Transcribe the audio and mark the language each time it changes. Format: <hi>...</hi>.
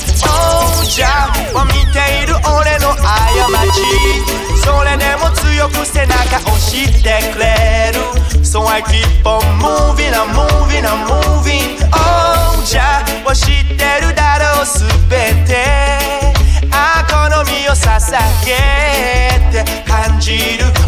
<ja>Oh Jah は見ている俺の過ち、それでも強く背中押してくれる。</ja> <en>So I keep on moving, I'm moving, I'm moving。</en> <ja>Oh Jah は知ってるだろう全て、この身を捧げて感じる。</ja>